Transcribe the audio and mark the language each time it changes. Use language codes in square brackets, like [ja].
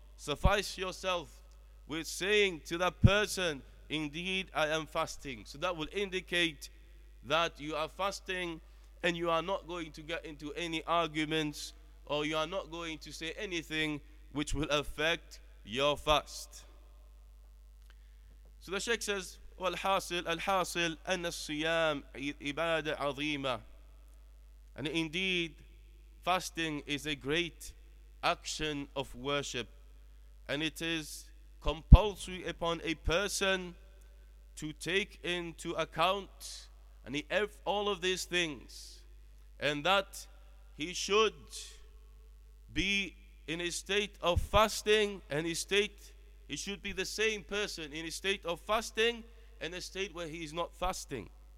[en] Suffice yourself with saying to that person, indeed, I am fasting. So that will indicate that you are fasting and you are not going to get into any arguments, or you are not going to say anything which will affect your fast. So the Sheikh says, [ar] والحاصل الحاصل أن الصيام عبادة عظيمة. [en] And indeed, fasting is a great action of worship, and it is compulsory upon a person to take into account and all of these things, and that he should be in a state of fasting and he should be the same person in a state of fasting and a state where he is not fasting.